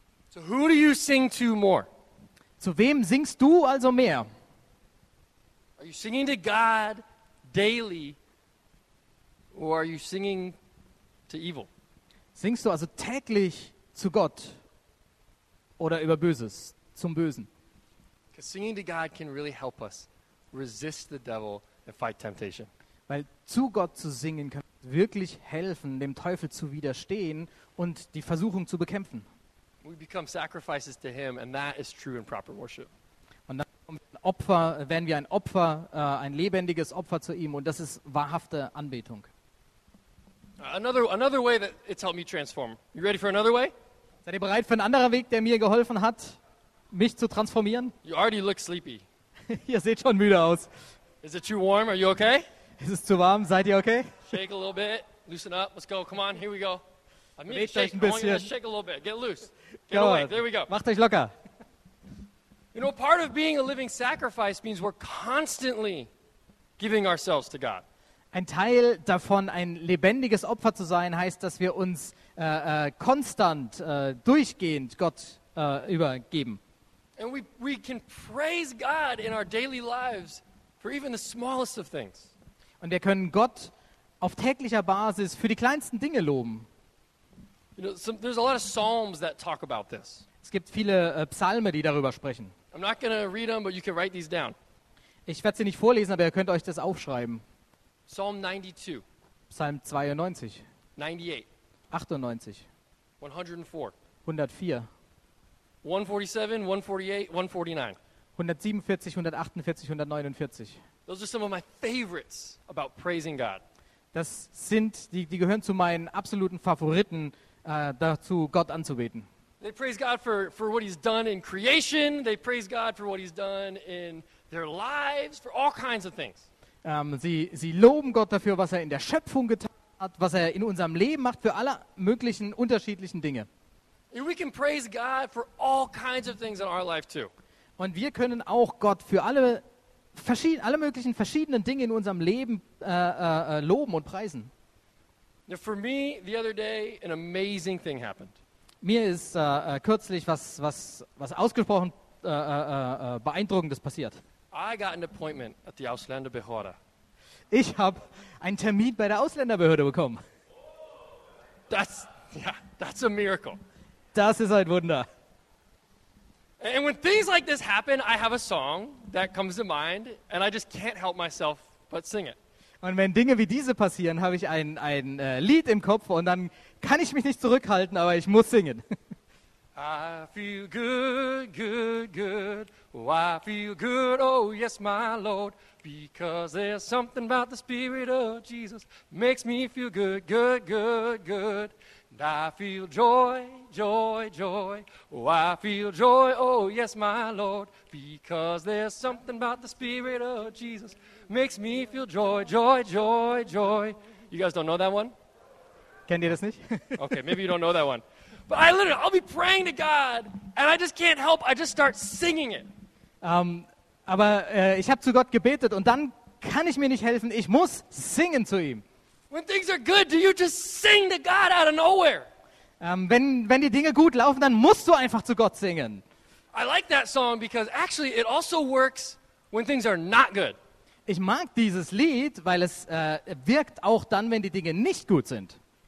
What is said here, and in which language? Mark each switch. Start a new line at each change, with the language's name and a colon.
English: So who do you sing to more?
German: Zu wem singst du also mehr?
English: Are you singing to God daily or are you singing to evil?
German: Singst du also täglich zu Gott oder über Böses, zum Bösen?
English: Because singing to God can really help us resist the devil and fight temptation.
German: Weil zu Gott zu singen kann wirklich helfen, dem Teufel zu widerstehen und die Versuchung zu bekämpfen.
English: We become sacrifices to him, and that is true and proper worship.
German: Und dann werden wir ein Opfer, ein lebendiges Opfer zu ihm, und das ist wahrhafte Anbetung.
English: Another way that it's helped me transform. You ready for another way?
German: Seid ihr bereit für einen anderen Weg, der mir geholfen hat, mich zu transformieren?
English: You already look sleepy.
German: Ihr seht schon müde aus.
English: Is it too warm? Are you okay?
German: Ist es zu warm? Seid ihr okay?
English: Shake a little bit. Loosen up. Let's go. Come on. Here we go. I mean, shake a little bit. Get loose. Get away. There we go.
German: Macht euch locker.
English: You know, part of being a living sacrifice means we're constantly giving ourselves to God.
German: Ein Teil davon, ein lebendiges Opfer zu sein, heißt, dass wir uns konstant, durchgehend Gott übergeben.
English: And we can praise God in our daily lives for even the smallest of things.
German: Und wir können Gott auf täglicher Basis für die kleinsten Dinge loben.
English: You know, there's a lot of psalms that talk about this.
German: Es gibt viele Psalme, die darüber sprechen.
English: I'm not going to read them, but you can write these down.
German: Ich werde sie nicht vorlesen, aber ihr könnt euch das aufschreiben.
English: Psalm 92.
German: Psalm 92.
English: 98.
German: 98.
English: 104.
German: 104.
English: 147, 148, 149.
German: 147, 148, 149.
English: Those are some of my favorites about praising God.
German: Das sind, die gehören zu meinen absoluten Favoriten, dazu Gott anzubeten.
English: They praise God for what he's done in creation. They praise God for what he's done in their lives, for all kinds of things.
German: Sie loben Gott dafür, was er in der Schöpfung getan hat, was er in unserem Leben macht, für alle möglichen unterschiedlichen Dinge.
English: And we can praise God for all kinds of things in our life too.
German: Und wir können auch Gott für alle möglichen verschiedenen Dinge in unserem Leben loben und preisen.
English: Now for me, the other day, an amazing thing happened.
German: Mir ist kürzlich was ausgesprochen Beeindruckendes passiert.
English: I got an appointment at the Ausländerbehörde.
German: Ich habe einen Termin bei der Ausländerbehörde bekommen.
English: That's Yeah, that's a miracle.
German: Das ist ein Wunder.
English: And when things like this happen, I have a song that comes to mind, and I just can't help myself but sing it. Und wenn Dinge wie diese passieren, habe ich ein Lied im Kopf, und dann kann ich mich nicht zurückhalten, aber ich muss singen. I feel good, good, good. Oh, I feel good, oh yes, my Lord. Because there's something about the Spirit of Jesus makes me feel good, good, good, good. And I feel joy, joy, joy. Oh, I feel joy, oh yes, my Lord. Because there's something about the Spirit of Jesus makes me feel joy, joy, joy, joy. You guys don't know that one?
German: Kennt ihr das nicht?
English: Okay, maybe you don't know that one. But I literally, I'll be praying to God, and I just can't help, I just start singing it.
German: Aber ich habe zu Gott gebetet, und dann kann ich mir nicht helfen, ich muss singen zu ihm.
English: When things are good, do you just sing to God out of nowhere?
German: Wenn die Dinge gut laufen, dann musst du einfach zu Gott singen.
English: I like that song because actually it also works when things are not good.
German: Ich mag dieses Lied, weil es wirkt auch dann, wenn die Dinge nicht gut sind.